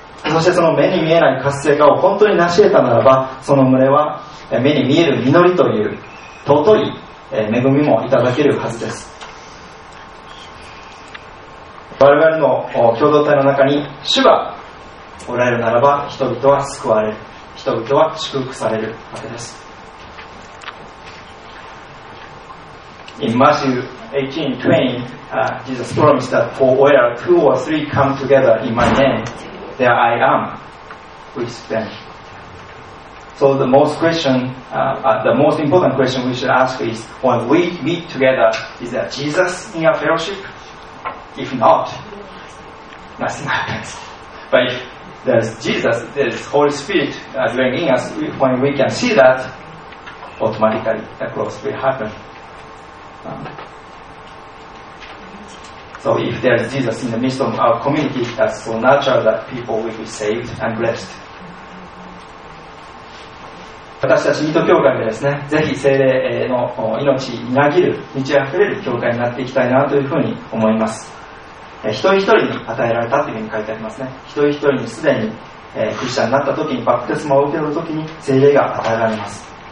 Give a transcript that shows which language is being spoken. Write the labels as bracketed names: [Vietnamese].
[Japanese] そしてその目に見えない活性化を本当に成し得たならば、その群れは目に見える実りという尊い恵みもいただけるはずです。我々の共同体の中に主がおられるならば、人々は救われる、人々は祝福されるわけです。 [English] In Matthew 18:20, Jesus promised that for where two or three come together in my nameThere I am with them. So the most question, the most important question we should ask is, when we meet together, is there Jesus in our fellowship? If not, nothing happens. But if there's Jesus, there's Holy Spirit dwelling in us, when we can see that, automatically the growth will happen. So if there is Jesus in the midst of our community, that's so natural that people will be saved and blessed. [Japanese] 私たちミート教会がですね、ぜひ聖霊の命みなぎる、満ち溢れる教会になっていきたいなというふうに思います。一人一人に与えられたというふうに書いてありますね。一人一人にすでにクリスチャンになった時に、バプテスマを受けた時に聖霊が与えられます。